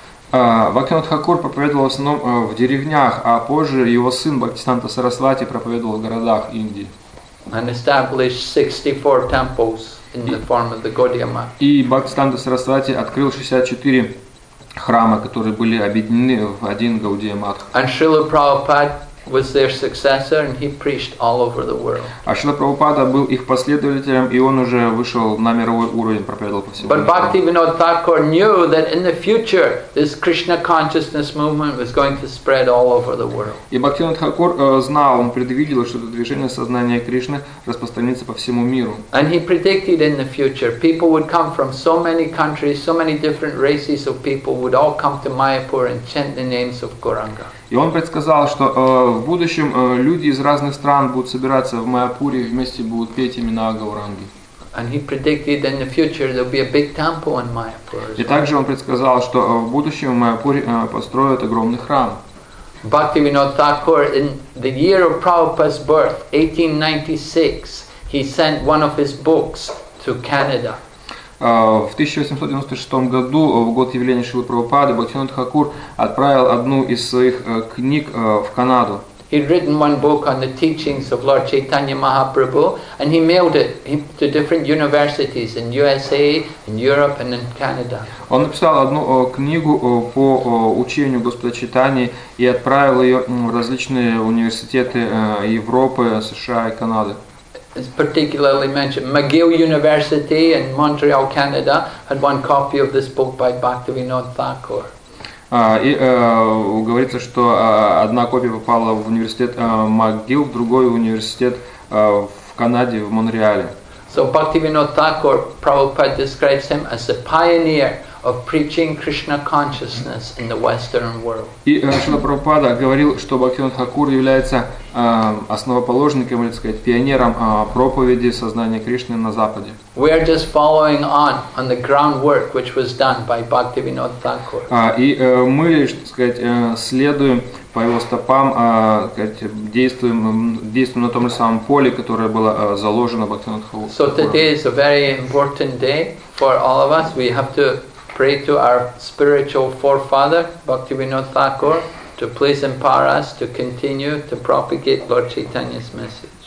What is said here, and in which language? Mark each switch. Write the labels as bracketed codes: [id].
[ru] Бхактинат Хакур проповедовал в основном в деревнях, а позже его сын Бхактисиддханта Сарасвати проповедовал в городах Индии. [en] And established 64 temples in the form of the Gaudiya Math. [ru] И Бхактисиддханта Сарасвати открыл 64 храма, которые были объединены в один Гаудия Матх. [en] And Srila Prabhupada was their successor, and he preached all over the world. [ru] А Шрила Прабхупада был их последователем, и он уже вышел на мировой уровень, проповедовал по всему миру. [en] But Bhaktivinoda Thakur knew that in the future this Krishna consciousness movement was going to spread all over the world. [ru] И Бхактивинод Хакур знал, он предвидел, что это движение сознания Кришны распространится по всему миру. [en] And he predicted in the future people would come from so many countries, so many different races of people would all come to Mayapur and chant the names of Gauranga. [ru] И он предсказал, что в будущем люди из разных стран будут собираться в Майяпуре и вместе будут петь имена Гауранги. [en] And he predicted in the future there'll be a big temple in Mayapur. [ru] И также он предсказал, что в будущем в Майяпуре построят огромный храм. [en] Bhaktivinoda Thakur, in the year of Prabhupada's birth, 1896, he sent one of his books to Canada. [ru] В 1896 году, в год явления Шрилы Прабхупады, Бхактивинода Хакур отправил одну из своих книг в Канаду. [en] He'd written one book on the teachings of Lord Chaitanya Mahaprabhu, and he mailed it to different universities in USA, in Europe, and in Canada. [ru] Он написал одну книгу по учению Господа Чайтаньи и отправил ее в различные университеты Европы, США и Канады. [en] It's particularly mentioned McGill University in Montreal, Canada, had one copy of this book by Bhaktivinoda Thakur. [ru] Говорится, что одна копия попала в университет McGill, в другой университет в Канаде, в Монреале. [en] So Bhaktivinoda Thakur, Prabhupada describes him as a pioneer of preaching Krishna consciousness in the Western world. [ru] И Шрила Прабхупада говорил, что Бхактивинода Хакур является основоположником, или, так сказать, пионером проповеди сознания Кришны на Западе. [en] We are just following on the groundwork which was done by Bhaktivinoda Thakur. [ru] И мы, так сказать, следуем по его стопам, так сказать, действуем на том же самом поле, которое было заложено Бхактивинода Хакур. [en] So today is a very important day for all of us. We have to pray to our spiritual forefather, Bhaktivinoda Thakur, to please empower us to continue to propagate Lord Chaitanya's message.